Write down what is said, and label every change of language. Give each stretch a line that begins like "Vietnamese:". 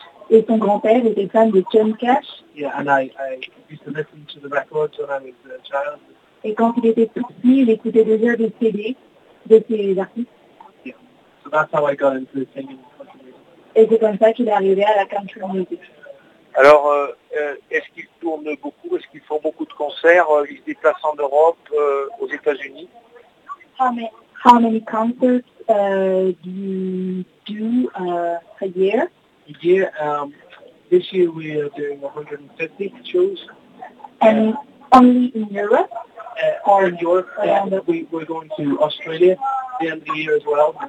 French: et ton grand-père était fan de Johnny Cash?
English: Yeah, and I used to listen to the records when I was a child.
French: Et quand il était tout petit, il écoutait déjà des CD de ces artistes?
English: Yeah, so that's how I got into singing country music.
French: Et c'est comme ça qu'il est arrivé à la country music. Alors, est-ce qu'ils tournent beaucoup? Est-ce qu'ils font beaucoup de concerts? Ils se déplacent en Europe, aux États-Unis?
English: How many concerts do you do a year? A year? This year we are doing 150 shows. And only in Europe? Or in Europe. We're going to Australia at the end of the year as well.